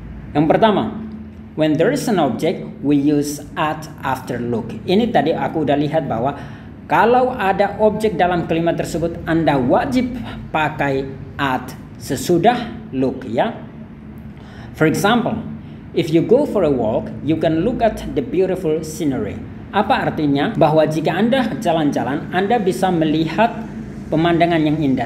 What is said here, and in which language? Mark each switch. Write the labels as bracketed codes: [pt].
[en] Yang pertama, when there is an object, we use at after look. [id] Ini tadi aku udah lihat bahwa kalau ada objek dalam kalimat tersebut, Anda wajib pakai at sesudah look, ya. [en] For example, if you go for a walk, you can look at the beautiful scenery. [id] Apa artinya? Bahwa jika Anda jalan-jalan, Anda bisa melihat pemandangan yang indah.